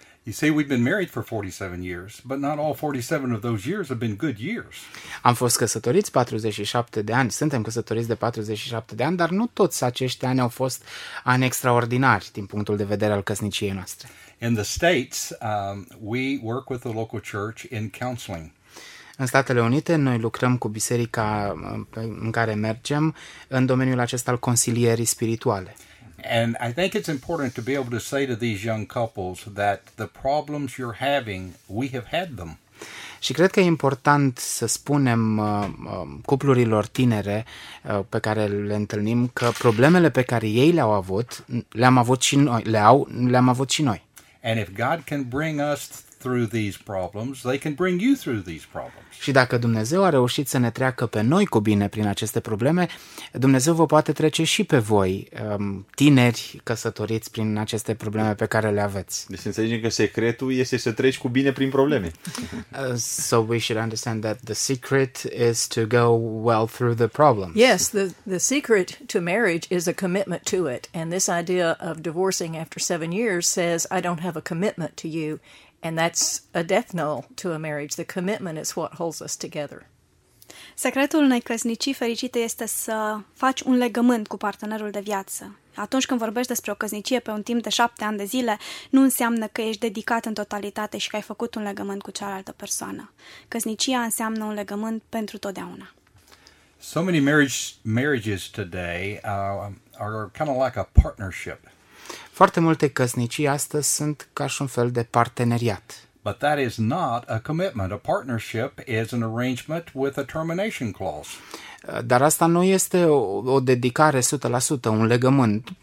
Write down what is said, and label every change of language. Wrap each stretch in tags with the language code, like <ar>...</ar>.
<en>You say we've been married for 47 years, but not all 47 of those years have been good years.</en> <ro>Am fost căsătoriți 47 de ani, suntem căsătoriți de 47 de ani, dar nu toți acești ani au fost ani extraordinari din punctul de vedere al căsniciei noastre.</ro> <en>In the States, we work with the local church in counseling.</en> <ro>În Statele Unite, noi lucrăm cu biserica în care mergem în domeniul acesta al consilierii spirituale.</ro> <en>And I think it's important to be able to say to these young couples that the problems you're having, we have had them.</en> <ro>Și cred că e important să spunem cuplurilor tinere pe care le întâlnim că problemele pe care ei le-au avut, le-am avut și noi.</ro> <en>And if God can bring us through these problems, they can bring you through these problems.</en> <ro>Și dacă Dumnezeu a reușit să ne treacă pe noi cu bine prin aceste probleme, Dumnezeu vă poate trece și pe voi, tineri căsătoriți, prin aceste probleme pe care le aveți. Deci înțelegem că secretul este să treci cu bine prin probleme.</ro> <en>So we should understand that the secret is to go well through the problems. Yes, the secret to marriage is a commitment to it. And this idea of divorcing after 7 years says, I don't have a commitment to you. And that's a death knell to a marriage. The commitment is what holds us together.</en> <ro>Secretul unei căsnicii fericite este să faci un legământ cu partenerul de viață. Atunci când vorbești despre o căsnicie pe un timp de 7 ani de zile, nu înseamnă că ești dedicat în totalitate și că ai făcut un legământ cu cealaltă persoană. Căsnicia înseamnă un legământ pentru totdeauna.</ro> <en>So many marriages today are kind of like a partnership.</en> <ro>Foarte multe căsnicii astăzi sunt ca și un fel de parteneriat.</ro> <en>But that is not a commitment. A partnership is an arrangement with a termination clause.</en> <ro>Dar asta nu este o dedicare 100%, un legământ.</ro>